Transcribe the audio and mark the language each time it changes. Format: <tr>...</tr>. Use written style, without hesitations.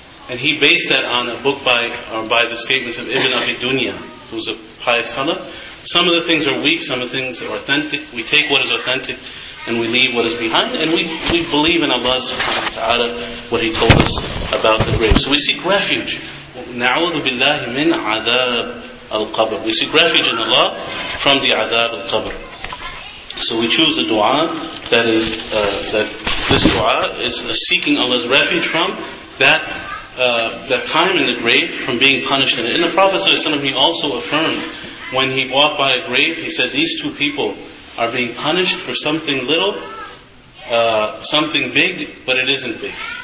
<en>And he based that on a book by the statements of Ibn Abi Dunya, who's a pious salaf. Some of the things are weak, some of the things are authentic. We take what is authentic, and we leave what is behind, and we believe in Allah subhanahu wa ta'ala, what He told us about the grave. So we seek refuge.</en> <ar>نعوذ بالله من عذاب القبر.</ar> <en>We seek refuge in Allah from the</en> <ar>عذاب القبر.</ar> <en>So we choose a dua that is that this dua is seeking Allah's refuge from that that time in the grave, from being punished in it. And the Prophet ﷺ, he also affirmed when he walked by a grave, he said, these two people are being punished for something little, something big, but it isn't big.</en>